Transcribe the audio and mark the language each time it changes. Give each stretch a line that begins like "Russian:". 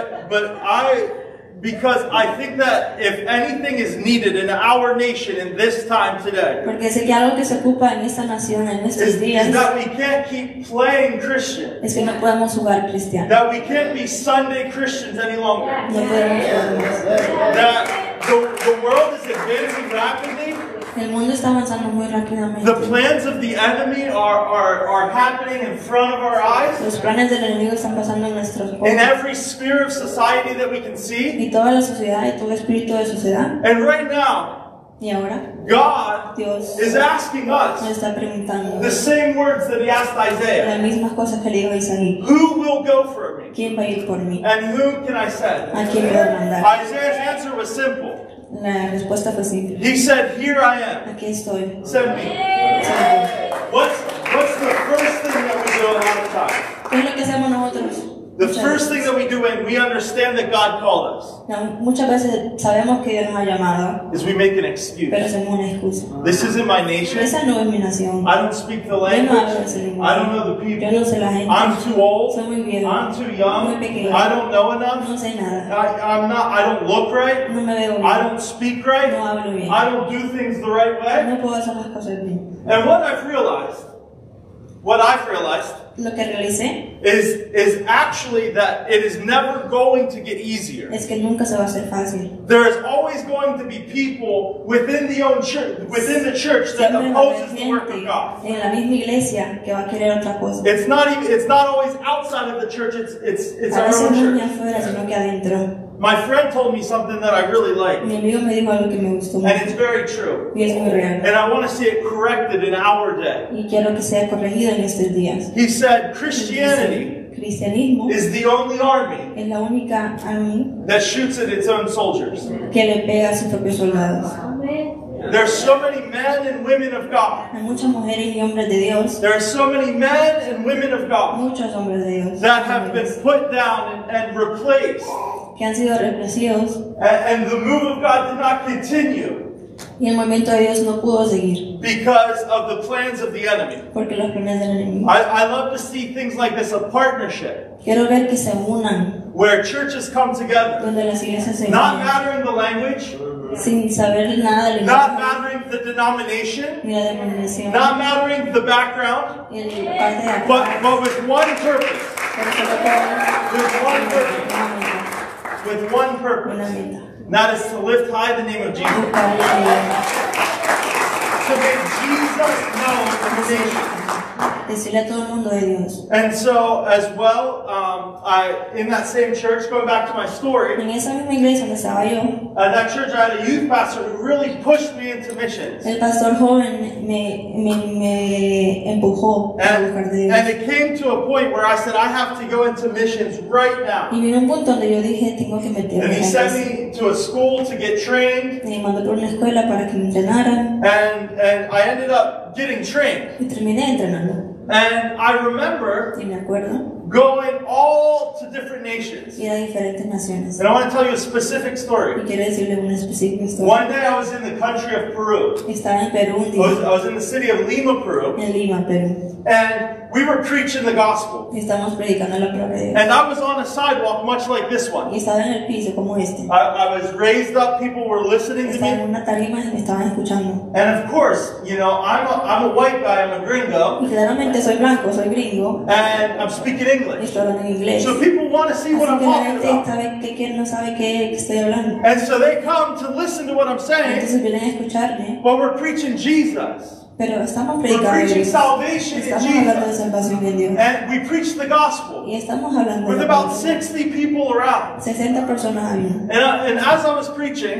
English: But I, because I think that if anything is needed in our nation in this time today,
Spanish: porque sé que algo que se ocupa en esta nación en estos días,
English: is that we can't keep playing Christian.
Spanish: Es que no podemos jugar cristiano.
English: That we can't be Sunday Christians any longer.
Spanish: No podemos jugar más.
English: That the world is advancing rapidly.
Spanish: El mundo está avanzando muy rápidamente.
English: The plans of the enemy are happening in front of our eyes.
Spanish: Los planes del enemigo están pasando en nuestros ojos.
English: In every sphere of society that we can see.
Spanish: Y toda la sociedad y todo espíritu de sociedad.
English: And right now,
Spanish: y ahora,
English: God
Spanish: Dios
English: is asking us
Spanish: nos está preguntando
English: the same words that he asked Isaiah.
Spanish: Las mismas cosas que le dijo a Isaías.
English: Who will go for me?
Spanish: ¿Quién va a ir por mí?
English: And who can I send?
Spanish: ¿A quién voy a mandar?
English: Isaiah's answer was simple.
Spanish: La respuesta fue simple.
English: He said, "Here I am.
Spanish: Aquí estoy.
English: Send me." Yay! What's the first thing that we do a lot of times?
Spanish: ¿Qué es lo que hacemos nosotros?
English: The first thing that we do when we understand that God called us.
Spanish: Now, muchas veces sabemos que Dios nos ha llamado.
English: Is we make an excuse.
Spanish: Pero hacemos una excusa.
English: This isn't my nation.
Spanish: Esa no es mi nación.
English: I don't speak the language. I don't know the people.
Spanish: Yo no sé la gente.
English: I'm too old.
Spanish: Soy muy viejo.
English: I'm too young.
Spanish: Muy pequeño.
English: I don't know enough.
Spanish: No sé nada.
English: I don't look right.
Spanish: No me veo bien.
English: I don't speak right.
Spanish: No hablo bien.
English: I don't do things the right way.
Spanish: No puedo hacer las cosas bien.
English: And what I've realized
Spanish: lo que realicé
English: is actually that it is never going to get easier.
Spanish: Es que nunca se va a hacer fácil.
English: There is always going to be people within the own church, within the church, that opposes the work of God.
Spanish: En la misma iglesia que va a querer otra cosa.
English: It's not even, it's not always outside of the church, it's our own church.
Spanish: Afuera, sino que adentro.
English: My friend told me something that I really like.
Spanish: Mi amigo me dijo algo que me gustó mucho.
English: And it's very true.
Spanish: Y es muy real.
English: And I want to see it corrected in our day.
Spanish: Y quiero que sea corregido en estos días.
English: He said, Christianity
Spanish: cristianismo
English: is the only army,
Spanish: es la única army
English: that shoots at its own soldiers.
Spanish: Que le pega a sus propios soldados.
English: There are so many men and women of God.
Spanish: Hay muchas mujeres y hombres de Dios.
English: There are so many men and women of God.
Spanish: Muchos hombres de Dios.
English: That have been put down and replaced.
Spanish: Que han sido reemplazados.
English: And the move of God did not continue.
Spanish: Y el movimiento de Dios no pudo seguir.
English: Because of the plans of the enemy.
Spanish: Porque los planes del enemigo.
English: I love to see things like this, a partnership.
Spanish: Quiero ver que se unan.
English: Where churches come together.
Spanish: Donde las iglesias se unen.
English: Not mattering the language.
Spanish: Sin saber nada del
English: not mismo. Mattering the denomination,
Spanish: ni la denominación.
English: Not mattering the background,
Spanish: parte de
English: acá. But with one purpose.
Spanish: Pero con lo que
English: with one purpose. With one purpose. That is to lift high the name of Jesus. To make Jesus known in the nations.
Spanish: decirle a todo el mundo de Dios.
English: And so, as well, in that same church, going back to my story,
Spanish: en esa misma iglesia donde estaba yo,
English: that church, I had a youth pastor who really pushed me into missions.
Spanish: El pastor joven me empujó a buscar de Dios.
English: And it came to a point where I said, I have to go into missions right now.
Spanish: Y vino un punto donde yo dije, tengo que meterme.
English: And he sent me to a school to get trained.
Spanish: Me mandó por una escuela para que me entrenaran.
English: And I ended up getting trained.
Spanish: Y terminé entrenando.
English: And I remember going all to different nations.
Spanish: Y a diferentes naciones.
English: And I want to tell you a specific story.
Spanish: Y quiero decirle una específica historia.
English: One day I was in the country of Peru.
Spanish: Estaba en Perú.
English: I was in the city of Lima, Peru.
Spanish: En Lima, Perú.
English: And we were preaching the gospel.
Spanish: Y estábamos predicando la palabra de Dios.
English: And I was on a sidewalk much like this one.
Spanish: Y estaba en el piso como este.
English: I was raised up, people were listening
Spanish: estaba
English: to me.
Spanish: En una tarima y me estaban escuchando.
English: And of course, you know, I'm a white guy, I'm a gringo.
Spanish: Y claramente soy blanco, soy gringo.
English: And I'm speaking English.
Spanish: Y estoy hablando en inglés.
English: So people want to see
Spanish: así
English: what I'm talking about.
Spanish: Sabe que quien no sabe que estoy hablando.
English: And so they come to listen to what I'm saying.
Spanish: Entonces vienen a escucharme.
English: But we're preaching Jesus.
Spanish: Pero estamos predicando
English: preaching salvation
Spanish: estamos
English: in Jesus.
Spanish: En Dios.
English: And we preach the gospel.
Spanish: Y estamos hablando
English: with about 60 people around.
Spanish: 60 personas había.
English: And as I was preaching,